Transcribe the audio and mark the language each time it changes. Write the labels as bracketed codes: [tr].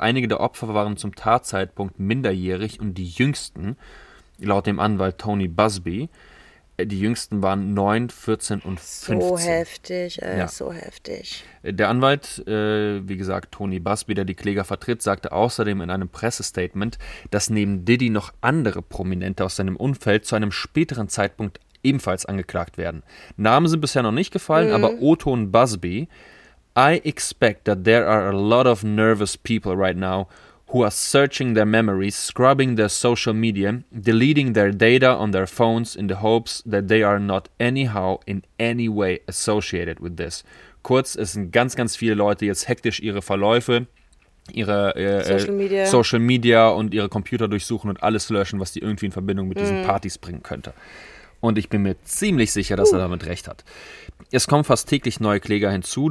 [de] Einige der Opfer waren zum Tatzeitpunkt minderjährig und die jüngsten, laut dem Anwalt Tony Busby, die jüngsten waren 9, 14 und 15. So heftig. Der Anwalt, wie gesagt, Tony Busby, der die Kläger vertritt, sagte außerdem in einem Pressestatement, dass neben Diddy noch andere Prominente aus seinem Umfeld zu einem späteren Zeitpunkt ebenfalls angeklagt werden. Namen sind bisher noch nicht gefallen, aber O-Ton Busby: [en] I expect that there are a lot of nervous people right now who are searching their memories, scrubbing their social media, deleting their data on their phones in the hopes that they are not anyhow in any way associated with this. [de] kurz, es sind ganz, ganz viele Leute jetzt hektisch ihre Verläufe, ihre Social Media und ihre Computer durchsuchen und alles löschen, was die irgendwie in Verbindung mit diesen Partys bringen könnte. Und ich bin mir ziemlich sicher, dass er damit recht hat. Es kommen fast täglich neue Kläger hinzu.